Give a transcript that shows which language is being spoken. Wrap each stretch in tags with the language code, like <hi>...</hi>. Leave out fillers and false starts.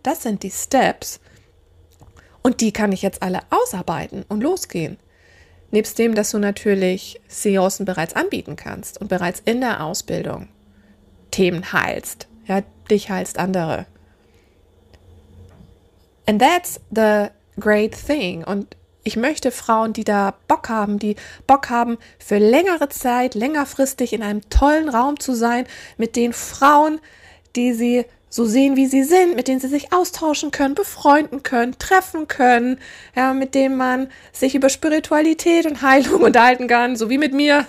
<de>Das sind die Steps und die kann ich jetzt alle ausarbeiten und losgehen. Nebst dem, dass du natürlich Seancen bereits anbieten kannst und bereits in der Ausbildung Themen heilst, ja, dich heilst andere.</de> <en>And that's the great thing.</en> <de>Und ich möchte Frauen, die da Bock haben, für längere Zeit, längerfristig in einem tollen Raum zu sein, mit den Frauen, die sie so sehen, wie sie sind, mit denen sie sich austauschen können, befreunden können, treffen können, ja, mit denen man sich über Spiritualität und Heilung unterhalten kann, so wie mit mir.</de>